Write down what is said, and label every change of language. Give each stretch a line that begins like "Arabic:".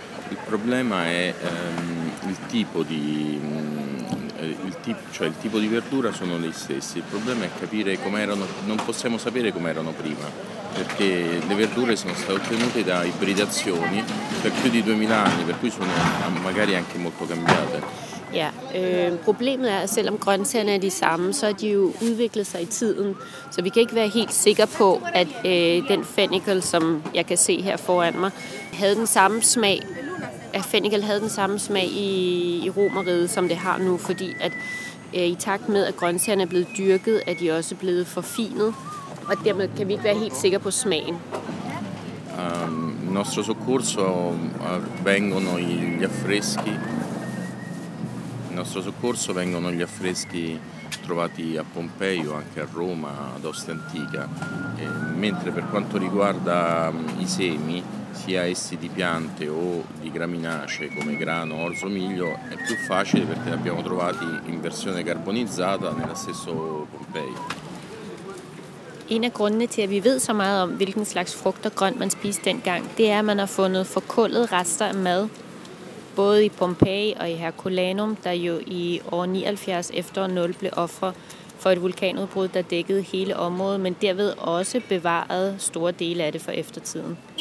Italian: Il problema è il tipo di cioè il tipo di verdura sono gli stessi. Il problema è capire com'erano, non possiamo sapere com'erano prima, perché le verdure sono state ottenute da ibridazioni per più di 2000 anni, per cui sono magari anche molto cambiate.
Danish: Ja, problemet er, at selvom grøntsagerne er de samme, så er de jo udviklet sig i tiden. Så vi kan ikke være helt sikre på, at den fennikel, som jeg kan se her foran mig, havde den samme smag. At fennikel havde den samme smag i Romerriget, som det har nu, fordi at i takt med, at grøntsagerne er blevet dyrket, er de også blevet forfinet, og dermed kan vi ikke være helt sikre på smagen.
Italian: Nostro soccorso vengono gli affreschi. Nostro soccorso vengono gli affreschi trovati a Pompei o anche a Roma, ad Ostia Antica, mentre per quanto riguarda i semi, sia essi di piante o di graminacee come grano, orzo, miglio, è più facile perché li abbiamo trovati in versione carbonizzata nello stesso Pompei.
Danish: En af grundene til, at vi ved så meget om, hvilken slags frugt og grønt man spiste dengang, det er, at man har fundet forkullet rester af mad, både i Pompeji og i Herculaneum, der jo i år 79 efter 0 blev ofre for et vulkanudbrud, der dækkede hele området, men derved også bevarede store dele af det for eftertiden.